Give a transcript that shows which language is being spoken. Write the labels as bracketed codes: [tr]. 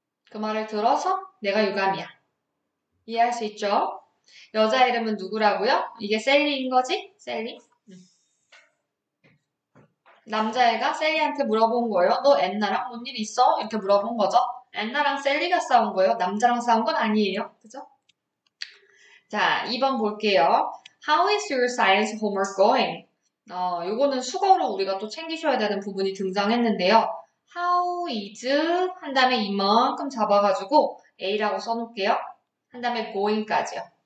[ko] 그 말을 들어서 내가 유감이야. 이해할 수 있죠? 여자 이름은 누구라고요? 이게 셀리인 거지? 셀리? 남자애가 셀리한테 물어본 거예요. 너 엔나랑 뭔일 있어? 이렇게 물어본 거죠. 엔나랑 셀리가 싸운 거예요. 남자랑 싸운 건 아니에요. 그죠? 자, 2번 볼게요. [en] How is your science homework going? [ko] 요거는 수거로 우리가 또 챙기셔야 되는 부분이 등장했는데요. [en] How is [ko] 한 다음에 이만큼 잡아가지고 A라고 써놓을게요. 한 다음에 going까지요.